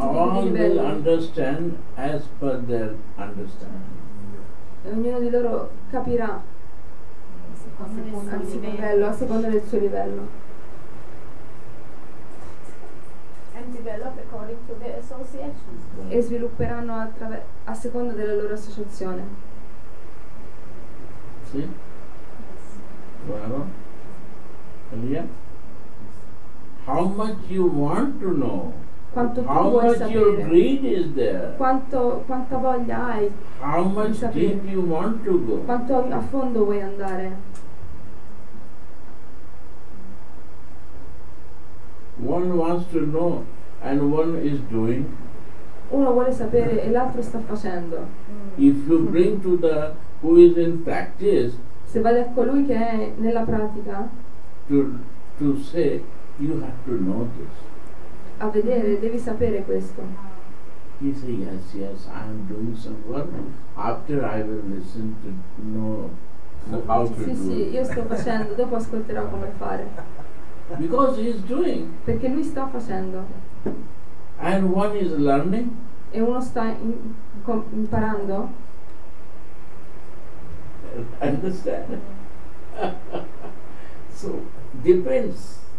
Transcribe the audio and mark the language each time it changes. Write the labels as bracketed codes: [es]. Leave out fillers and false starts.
[en] so all will understand as per their understanding. [it] Ognuno di loro capirà a seconda del suo livello. [en] And develop according to their association. [it] E svilupperanno a seconda della loro associazione. Sì. [en] Yeah. How much you want to know? [it] Quanto [en] how [it] vuoi [en] much [it] sapere? [en] Your greed is there? [it] Quanta voglia hai? [en] How much deep you want to go? [it] Quanto a fondo vuoi andare? [en] One wants to know and one is doing. [it] Uno vuole sapere e l'altro sta facendo. [en] If you bring to the who is in practice. [it] Se vai a colui che è nella pratica [en] to say you have to know this. [it] A vedere devi sapere questo. [en] He say yes, I am doing some work. After I will listen to know how to [it] sì, Sì, io sto facendo, dopo ascolterò come fare. [en] Because he is doing. [it] Perché lui sta facendo. [en] And one is learning. [it] E uno sta imparando. [en] Understand? So depends.